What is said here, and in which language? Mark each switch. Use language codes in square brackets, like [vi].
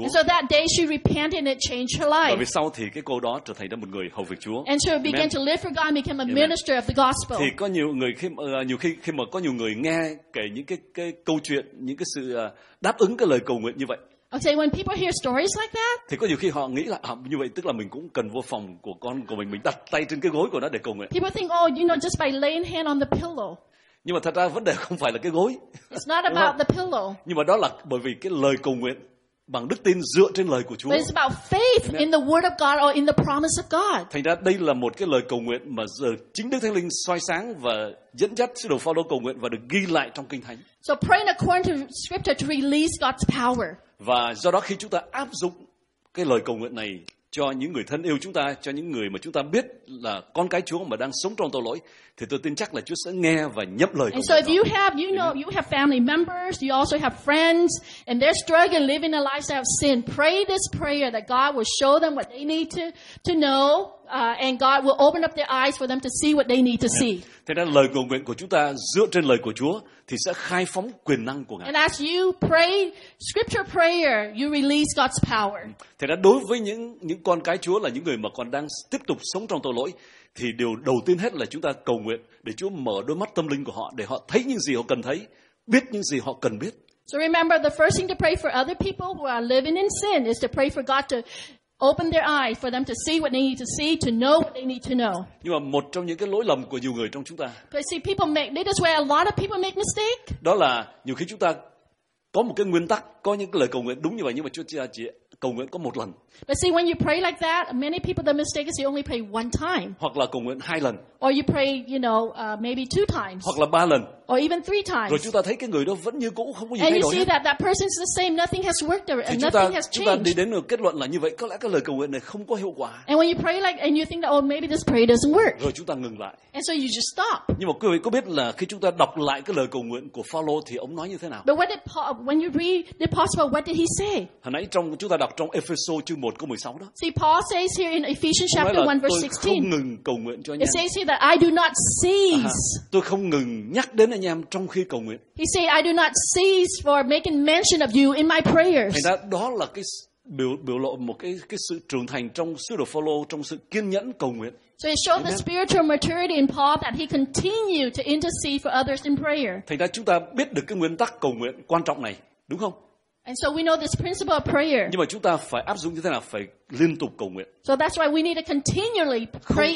[en] And so that day she repented and it changed her life. [vi] Và về sau thì cái cô đó trở thành một người hầu việc Chúa. [en] And so began to live for God and became a minister of the gospel. [vi] Thì có nhiều người khi mà có nhiều người nghe kể những cái câu chuyện, những cái sự đáp ứng cái lời cầu nguyện như vậy. [en] Okay, when people hear stories like that, [vi] thì có nhiều khi họ nghĩ là như vậy tức là mình cũng cần vô phòng của con của mình đặt tay trên cái gối của nó để cầu nguyện. [en] People think, oh, you know, just by laying hand on the pillow. [vi] Nhưng mà thật ra vấn đề không phải là cái gối. [en] It's not about the pillow. [vi] Nhưng mà đó là bởi vì cái lời cầu nguyện bằng đức tin dựa trên lời của Chúa. [en] But it's about faith in the word of God or in the promise of God. [vi] Thành ra đây là một cái lời cầu nguyện mà giờ chính Đức Thánh Linh soi sáng và dẫn dắt sứ đồ Phao-lô cầu nguyện và được ghi lại trong Kinh Thánh. [en] So praying according to scripture to release God's power. [vi] Và do đó khi chúng ta áp dụng cái lời cầu nguyện này cho những người thân yêu chúng ta, cho những người mà chúng ta biết là con cái Chúa mà đang sống trong tội lỗi, thì tôi tin chắc là Chúa sẽ nghe và nhậm lời cầu nguyện. [en] And so if you have, you know, you have family members, you also have friends, and they're struggling living a lifestyle of sin, pray this prayer that God will show them what they need to know, and God will open up their eyes for them to see what they need to see. [vi] Thế nên lời cầu nguyện của chúng ta dựa trên lời của Chúa thì sẽ khai phóng quyền năng của Ngài. [en] And as you pray scripture prayer, you release God's power. [vi] Thế nên đối với những con cái Chúa là những người mà còn đang tiếp tục sống trong tội lỗi, thì điều đầu tiên hết là chúng ta cầu nguyện để Chúa mở đôi mắt tâm linh của họ để họ thấy những gì họ cần thấy, biết những gì họ cần biết. [en] So remember, the first thing to pray for other people who are living in sin is to pray for God to open their eyes for them to see what they need to see, to know what they need to know. [vi] Nhưng mà một trong những cái lỗi lầm của nhiều người trong chúng ta. [en] But see, people make, this is where a lot of people make mistake. [vi] Đó là nhiều khi chúng ta có một cái nguyên tắc, có những cái lời cầu nguyện đúng như vậy, nhưng mà Chúa chỉ cầu nguyện có một lần. [en] But see, when you pray like that, many people, the mistake is you only pray one time. [vi] Hoặc là cầu nguyện hai lần. [en] Or you pray, you know, maybe two times. [vi] Hoặc là ba lần. [en] Or even three times. [vi] Rồi chúng ta thấy cái người đó vẫn như cũ, không có gì thay đổi. [en] And you see that person is the same, nothing has worked, or nothing has changed. [vi] Chúng ta đi đến được kết luận là như vậy, có lẽ cái lời cầu nguyện này không có hiệu quả. [en] And when you pray like, and you think that, oh, maybe this prayer doesn't work. [vi] Rồi chúng ta ngừng lại. [en] And so you just stop. [vi] Nhưng mà quý vị có biết là khi chúng ta đọc lại cái lời cầu nguyện của Phao-lô thì ông nói như thế nào? [en] But when you read the apostle, what did he say? [vi] Hồi nãy chúng ta đọc trong Ephesos chương 1 câu 16 đó. [en] See, Paul says here in Ephesians chapter 1 verse 16. [vi] Tôi không ngừng cầu nguyện cho anh em. [en] It says here that I do not cease. [vi] Tôi không ngừng nhắc đến anh em trong khi cầu nguyện. [en] He said, I do not cease for making mention of you in my prayers. [vi] Thì đó là cái biểu lộ một cái sự trưởng thành trong sứ đồ Phao-lô, trong sự kiên nhẫn cầu nguyện. [en] So it showed the spiritual maturity in Paul that he continued to intercede for others in prayer. [vi] Thì đó chúng ta biết được cái nguyên tắc cầu nguyện quan trọng này, đúng không? [en] And so we know this principle of prayer. [vi] Nhưng mà chúng ta phải áp dụng như thế nào? Phải liên tục cầu nguyện. [en] So that's why we need to continually pray